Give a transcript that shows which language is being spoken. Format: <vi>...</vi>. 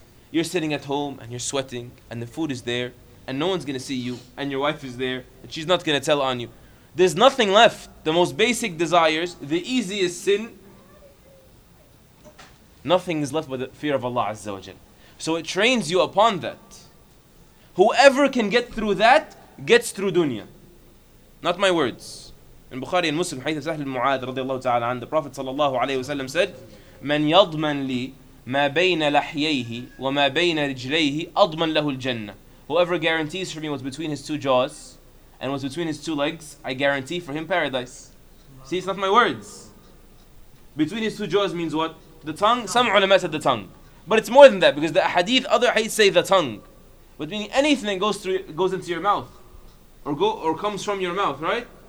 <en>You're sitting at home and you're sweating and the food is there and no one's going to see you and your wife is there and she's not going to tell on you. There's nothing left. The most basic desires, the easiest sin, nothing is left but the fear of Allah Azza wa Jal. So it trains you upon that. Whoever can get through that, gets through dunya. Not my words. In Bukhari and Muslim,</en> <ar>حيث سهل المعاد رضي الله تعالى عنه,</ar> <en>the Prophet</en> <ar>صلى الله عليه وسلم</ar> <en>said,</en> <ar>من يضمن لي ما بين لحييه وما بين رجليه أضمن له الجنة.</ar> <en>Whoever guarantees for me what's between his two jaws and what's between his two legs, I guarantee for him paradise. See, it's not my words. Between his two jaws means what? The tongue? Some ulama said the tongue. But it's more than that, because the hadith, other hadith say the tongue. But meaning anything that goes into your mouth or comes from your mouth, right?</en>